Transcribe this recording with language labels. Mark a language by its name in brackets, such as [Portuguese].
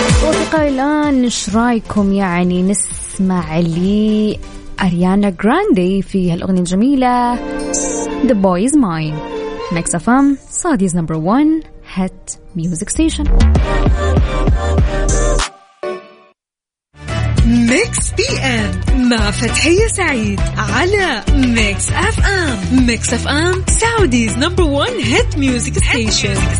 [Arabic] أصدقائي الآن إيش رايكم يعني نسمع لي أريانا غراندي في هالأغنية الجميلة The Boy Is Mine. [English] Next FM Saudi's number one hit music station. [Arabic] Mix PM مع فتحية سعيد على Mix FM. [English] Mix FM Saudi's number one hit music station.